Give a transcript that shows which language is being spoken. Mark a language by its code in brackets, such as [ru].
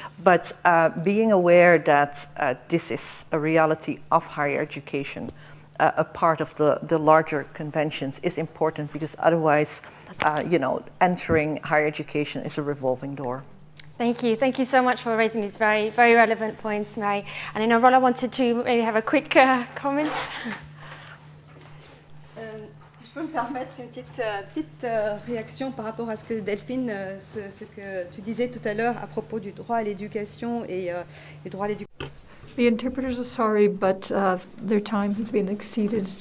[en] But being aware that this is a reality of higher education, a part of the larger conventions, is important, because otherwise, you know, entering higher education is a revolving door. Thank you. Thank you so much for raising these very, very relevant points, Mary. And I know Rolla wanted to maybe have a quick comment. [fr] Si je peux me permettre une petite réaction par rapport à ce que Delphine, ce que tu disais tout à l'heure à propos du droit à l'éducation et du droit à l'éducation. [en] The interpreters are sorry, but their time has been exceeded.